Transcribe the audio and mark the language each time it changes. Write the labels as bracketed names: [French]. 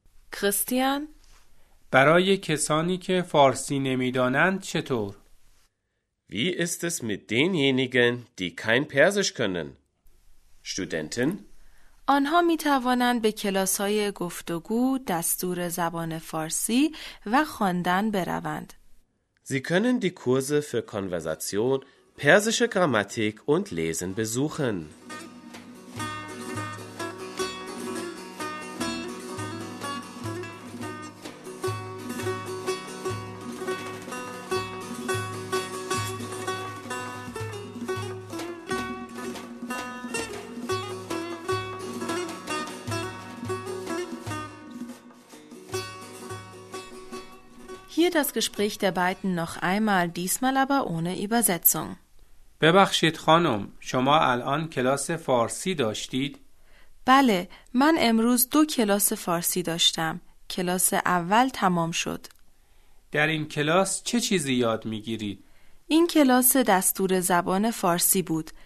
[German] Christian, [Persian] برای کسانی که فارسی نمی‌دانند چطور؟ [German] Wie ist es mit denjenigen, die kein Persisch können? Studenten? [Persian] آنها می توانند به کلاس‌های گفتگو، دستور زبان فارسی و خواندن بروند. [German] Sie können die Kurse für Konversation, persische Grammatik und Lesen besuchen. Hier das Gespräch der beiden noch einmal, diesmal aber ohne Übersetzung. [Persian] ببخشید خانم، شما الان کلاس فارسی داشتید؟ بله، من امروز دو کلاس فارسی داشتم. کلاس اول تمام شد. در این کلاس چه چیزی یاد میگیرید؟ این کلاس دستور زبان فارسی بود.